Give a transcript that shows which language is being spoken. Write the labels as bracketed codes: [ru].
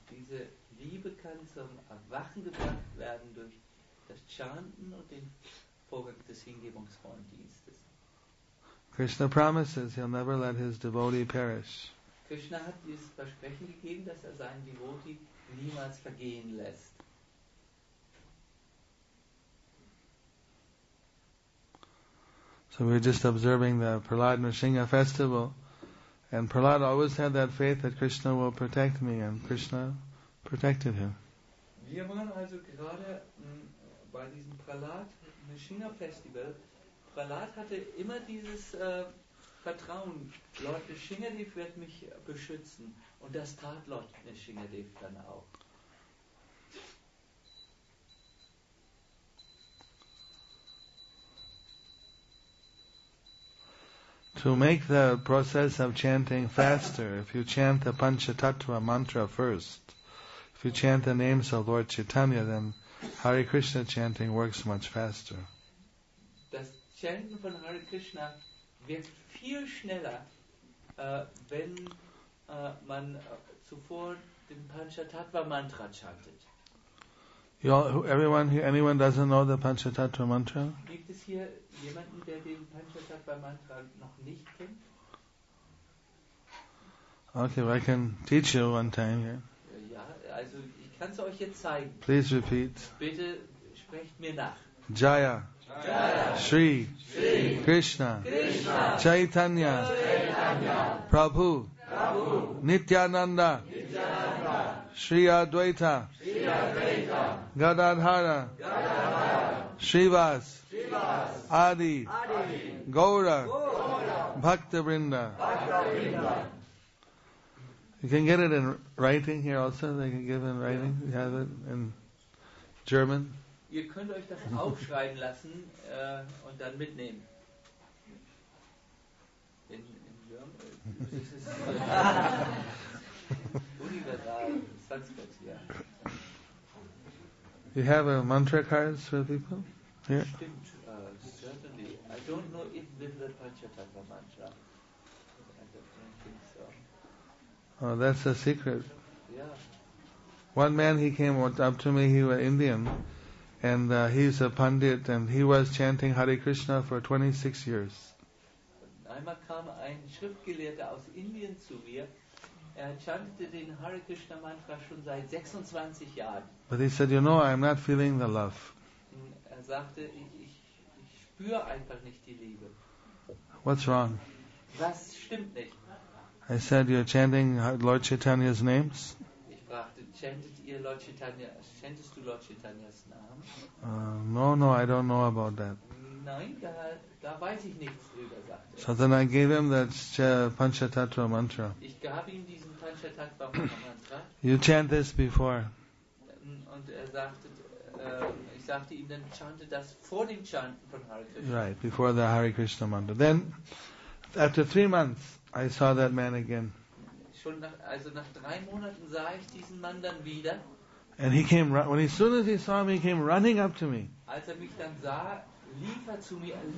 [de] Diese Liebe kann zum Erwachen gebracht werden durch das Chanten und den Vorgang des hingebungsvollen Dienstes. [en] Krishna promises he'll never let his devotee perish. [de] Krishna hat dieses Versprechen gegeben, dass er seinen Devotee niemals vergehen lässt. [en] So we were just observing the Prahlad Narsingha festival, and Prahlad always had that faith that Krishna will protect me, and Krishna protected him. [de] Wir waren also gerade bei diesem Prahlad Narsingha festival. Prahlad hatte immer dieses Vertrauen, Lord Narsingadev wird mich beschützen. Und das tat Lord Narsingadev dann auch. [en] To make the process of chanting faster, if you chant the Panchatattva mantra first, if you chant the names of Lord Chaitanya, then Hare Krishna chanting works much faster. [de] Das Chanten von Hare Krishna wird viel schneller, wenn man zuvor den Panchatattva mantra chantet. [en] Anyone doesn't know the Panchatattva mantra? [de] Gibt es hier jemanden, der den Panchatattva mantra noch nicht kennt? [en] Okay, well, I can teach you one time. Yeah. [de] Ja, also ich kann es euch jetzt zeigen. [en] Please repeat. [de] Bitte sprecht mir nach. [sa] Jaya. Jaya. Shri. Shri. Krishna. Krishna. Chaitanya. Chaitanya. Prabhu. Prabhu. Nityananda. Nityananda. Shri Advaita. Gadadhara. Srivas. Adi. Gaura. Bhaktavrinda. [en] You can get it in writing here also. They can give in writing. You have it in German. [de] Ihr könnt euch das aufschreiben lassen und dann mitnehmen. [en] In German? Universal. Sanskrit, ja. You have a mantra cards for people? Yeah. [de] Stimmt, [en] certainly. I don't know if this is a Panchatattva mantra. I don't think so. Oh, that's a secret. Yeah. One man, he came up to me, he was Indian. And he's a pandit, and he was chanting Hare Krishna for 26 years. [de] Einmal kam ein Schriftgelehrter aus Indien zu mir. Er chantete den Hare Krishna Mantra schon seit 26 Jahren. [en] But he said, you know, I'm not feeling the love. [de] Er sagte, ich spüre einfach nicht die Liebe. [en] What's wrong? [de] Was stimmt nicht? [en] I said, you're chanting Lord Chaitanya's names. [de] Chantest du Lord Chaitanyas [en] Namen? No, I don't know about that. [de] Nein, da weiß ich nichts drüber, sagte [en] er. So then I gave him that Panchatattva mantra. [de] Ich gab ihm diesen Panchatattva mantra. [en] You chant this before. [de] Und er sagte, ich sagte ihm, dann chante das vor dem Chanten von Hare Krishna. [en] Right, before the Hare Krishna mantra. Then, after 3 months, I saw that man again. [de] Schon nach, also nach 3 Monaten sah ich diesen Mann dann wieder. [en] And he came, as soon as he saw me, he came running up to me. [de] Als er mich dann sah, lief er zu mir,